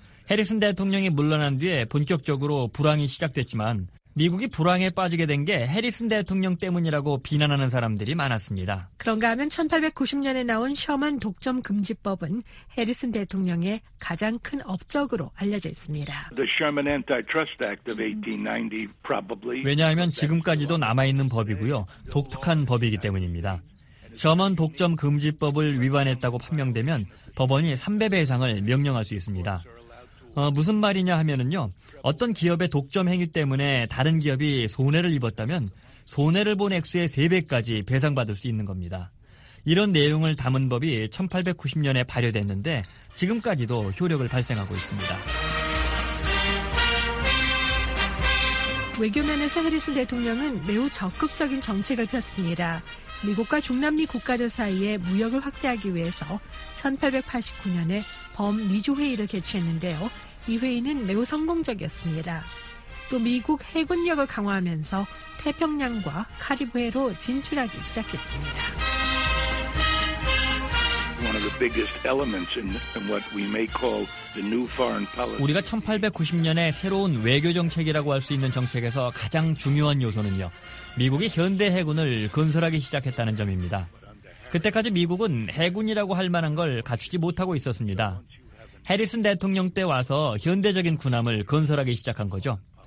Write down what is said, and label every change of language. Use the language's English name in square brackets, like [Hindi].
[Korean] 해리슨 대통령이 물러난 뒤에 본격적으로 불황이 시작됐지만 미국이 불황에 빠지게 된 게 해리슨 대통령 때문이라고 비난하는 사람들이 많았습니다. 그런가 하면 1890년에 나온 셔먼 독점 금지법은 해리슨 대통령의 가장 큰 업적으로 알려져 있습니다. [English] The Sherman Antitrust Act of 1890 probably. [Korean] 왜냐하면 지금까지도 남아있는 법이고요. 독특한 법이기 때문입니다. 셔먼 독점 금지법을 위반했다고 판명되면 법원이 3배 이상을 명령할 수 있습니다. 무슨 말이냐 하면은요, 어떤 기업의 독점 행위 때문에 다른 기업이 손해를 입었다면 손해를 본 액수의 3배까지 배상받을 수 있는 겁니다. 이런 내용을 담은 법이 1890년에 발효됐는데 지금까지도 효력을 발생하고 있습니다. 외교면에서 해리슨 대통령은 매우 적극적인 정책을 폈습니다. 미국과 중남미 국가들 사이에 무역을 확대하기 위해서 1889년에 범미주회의를 개최했는데요. 이 회의는 매우 성공적이었습니다. 또 미국 해군력을 강화하면서 태평양과 카리브해로 진출하기 시작했습니다. [English] One of the biggest elements in what we may call the new foreign policy. [Korean] 우리가 1890년에 새로운 외교 정책이라고 할 수 있는 정책에서 가장 중요한 요소는요, 미국이 현대 해군을 건설하기 시작했다는 점입니다. 그때까지 미국은 해군이라고 할 만한 걸 갖추지 못하고 있었습니다. 해리슨 대통령 때 와서 현대적인 군함을 건설하기 시작한 거죠.